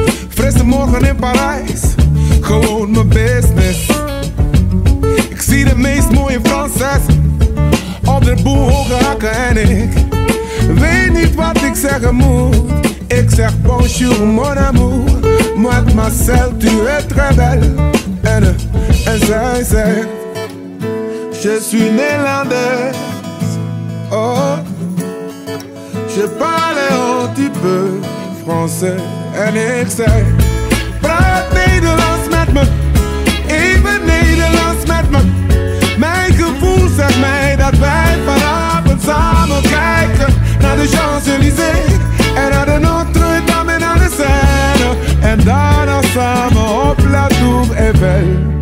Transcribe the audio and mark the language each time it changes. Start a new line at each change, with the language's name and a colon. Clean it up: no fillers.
Dutch: Frisse morgen in Parijs, gewoon mijn business. Ik zie de meest mooie Franses, onder de boel hoge hakken en ik weet niet wat ik zeggen moet. Ik zeg
French: bonjour mon amour, mademoiselle, tu es très belle.
Dutch: En zij zegt,
French: je suis Nederlandais. Oh, je parle un petit peu français.
Dutch: En ik zeg, praat Nederlands met me, even Nederlands met me. Mijn gevoel zegt mij dat wij vanavond samen kijken naar de Champs-Élysées. En naar de Notre-Dame en naar de Seine. En daarna samen op La Tour Eiffel.